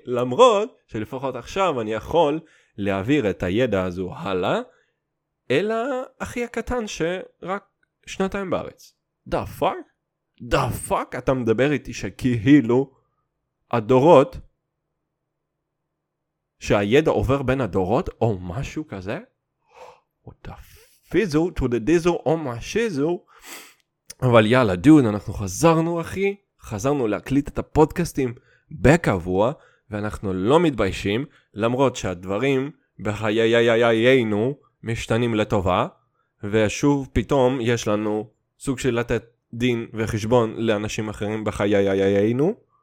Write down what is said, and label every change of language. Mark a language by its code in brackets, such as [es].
[he] למרות שלפחות עכשיו אני יכול להעביר את הידע הזו הלאה, אלא אחי הקטן שרק שנתיים בארץ. דה פאק? אתה מדבר איתי שכאילו הדורות, שהידע עובר בין הדורות או משהו כזה? [en] What the fizzle to the dizzle [he] או משהו? אבל יאללה דוד, אנחנו חזרנו אחי, חזרנו להקליט את הפודקאסטים בקבוע, ואנחנו לא מתביישים, למרות שהדברים בחיינו משתנים לטובה, ושוב פתאום יש לנו סוג של לתת דין וחשבון לאנשים אחרים בחיינו,